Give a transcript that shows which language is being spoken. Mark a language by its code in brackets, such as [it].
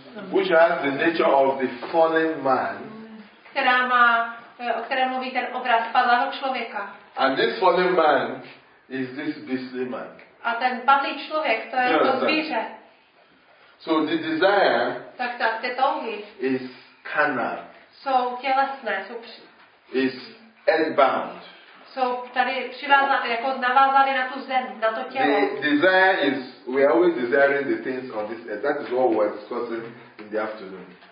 [en] Which has the nature of the fallen man. [cs] Která má, o které mluví ten obraz padlého člověka. [en] And this fallen man is this beastly man. [cs] A ten padlý člověk, to je no, to zvíře. [en] So the desire, [cs] tak tak ty touhy, [en] is carnal. [cs] Jsou tělesné, jsou [en] is earthbound. [cs] Jsou tady přivázané, jako navázané na tu zem, na to tělo. [en] The desire is, we are always desiring the things on this earth. That is what we are discussing in the afternoon.